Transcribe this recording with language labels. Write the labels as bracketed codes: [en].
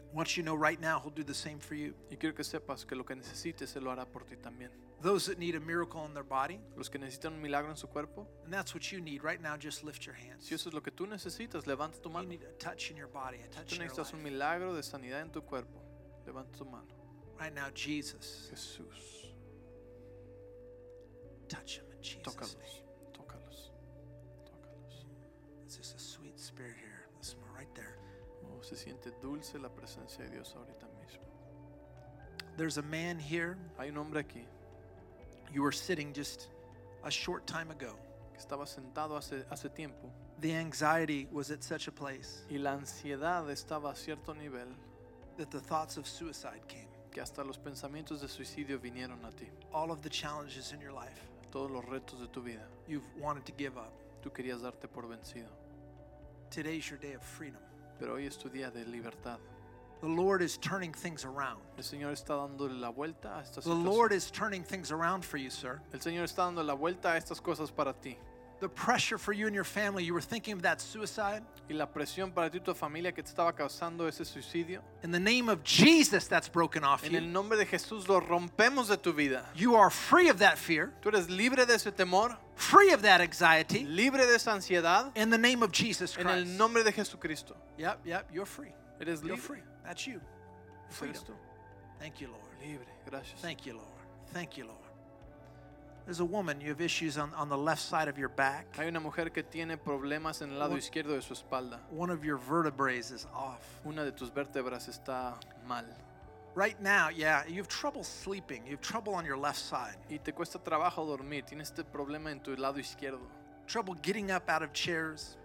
[en] Once you know right now, he'll do the same for you. [es] Y quiero que sepas que lo que necesites, él lo hará por ti también. [en] Those that need a miracle in their body. [es] Los que necesitan un milagro en su cuerpo. [en] And that's what you need right now. Just lift your hands. [es] Si eso es lo que tú necesitas, levanta tu mano. [en] You need a touch in your body, a touch [es] si [en] in your life. [es] Tú necesitas un milagro de sanidad en tu cuerpo. Levanta tu mano. [en] Right now, Jesus. [es] Jesús. [en] Touch him in Jesus. [es] Tócalos. [en] Name. [es] Tócalos. Tócalos. [en] It's just a sweet spirit here. This one right there. [es] Oh, se siente dulce la presencia de Dios ahorita mismo. [en] There's a man here. [es] Hay un hombre aquí. [en] You were sitting just a short time ago. [es] Estaba sentado hace tiempo. [en] The anxiety was at such a place. [es] Y la ansiedad estaba a cierto nivel. [en] That the thoughts of suicide came. [es] Que hasta los pensamientos de suicidio vinieron a ti. [en] All of the challenges in your life. [es] Todos los retos de tu vida. [en] You've wanted to give up. [es] Tú querías darte por vencido. [en] Today's your day of freedom. [es] Pero hoy es tu día de libertad. [en] The Lord is turning things around. [es] El Señor está dándole la vuelta a estas cosas. [en] The Lord is turning things around for you, sir. [es] El Señor está dando la vuelta a estas cosas para ti. [en] The pressure for you and your family, you were thinking of that suicide. [es] Y la presión para ti y tu familia que te estaba causando ese suicidio. [en] In the name of Jesus, that's broken off you. [es] En el nombre de Jesús lo rompemos de tu vida. [en] You are free of that fear. [es] Tú eres libre de ese temor. [en] Free of that anxiety. [es] Libre de esa ansiedad. [en] In the name of Jesus Christ. [es] En el nombre de Jesucristo. [en] Yep, yep, you're free. It is you're [es] libre. [en] Free. That's you. Freedom. Thank you, Lord. [es] Libre. Gracias. [en] Thank you, Lord. Thank you, Lord. There's a woman. You have issues on the left side of your back. [es] Hay una mujer que tiene problemas en el lado izquierdo de su espalda. [en] One of your vertebrae is off. [es] Una de tus vértebras está mal. [en] Right now, yeah, you have trouble sleeping. You have trouble on your left side. [es] Y te cuesta trabajo dormir. Tienes este problema en tu lado izquierdo. [en] Trouble getting up out of chairs.